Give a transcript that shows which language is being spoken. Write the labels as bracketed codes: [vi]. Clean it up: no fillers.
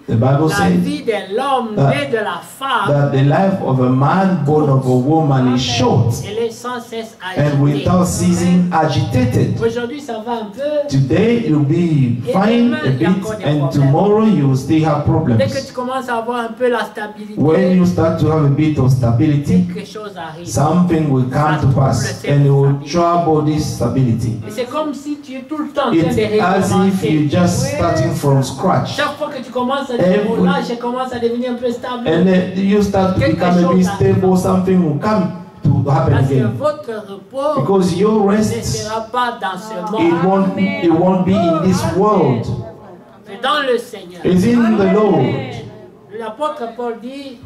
[en] the Bible [fr] la [en] says, [fr] vie de l'homme née de la femme, [en] that the life of a man born of a woman is short, [fr] elle est sans cesse agitée, [en] and without ceasing agitated. [fr] Aujourd'hui, ça va un peu. [en] Today you'll be fine [fr] demain, [en] a bit, and tomorrow you will still have problems. [fr] Dès que tu commences à avoir un peu la stabilité, [en] when you start to have a bit of stability, [fr] quelque chose arrive, [en] something will come to pass and it will trouble this stability. [fr] Et c'est comme si tu es tout le temps en train de recommencer. [en] It's as if you're just starting from scratch. [fr] Chaque fois que tu commences à dévoiler, je commence à devenir un peu stable. [en] And then you start to become a bit stable, something will come to happen again. [fr] Parce que votre repos, [en] because your rest, [fr] ne sera pas dans ce monde. [en] It won't be in this world. [fr] C'est dans le Seigneur. [en] It's in the Lord. [fr] L'apôtre Paul dit,